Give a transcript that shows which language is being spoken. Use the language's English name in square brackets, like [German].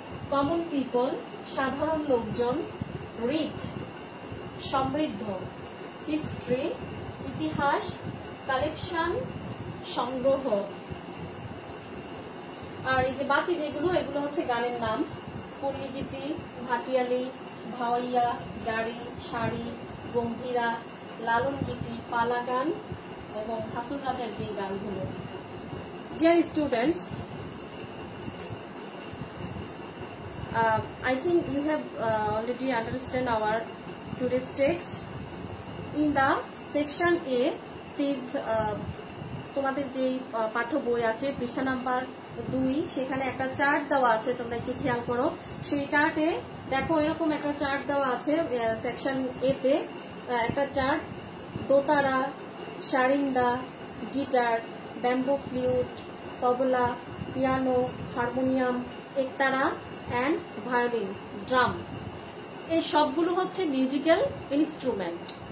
[English] common people [Bangla] সাধারণ লোকজন rich সমৃদ্ধ হিস্ট্রি ইতিহাস কালেকশন সংগ্রহ আর এই যে বাকি যেগুলো এগুলো হচ্ছে গানের নাম পল্লীগীতি ভাটিয়ালি ভাওয়াইয়া জারি শাড়ি গম্ভীরা লালন গীতি পালা গান এবং হাসন রাজার যে গানগুলো [English] Dear students, I think you have already understand our today's text. In the section A, please, [Bangla] তোমাদের যে পাঠ্য বই আছে পৃষ্ঠা নাম্বার 2, সেখানে একটা চার্ট দেওয়া আছে, তোমরা একটু খেয়াল করো সেই চার্টে, দেখো এরকম একটা চার্ট দেওয়া আছে সেকশন এ তে, একটা chart, দোতারা, সারিন্দা, guitar, bamboo ফ্লিউট, tabla, piano, harmonium, ektara and violin, drum, এই সবগুলো হচ্ছে মিউজিক্যাল ইনস্ট্রুমেন্ট।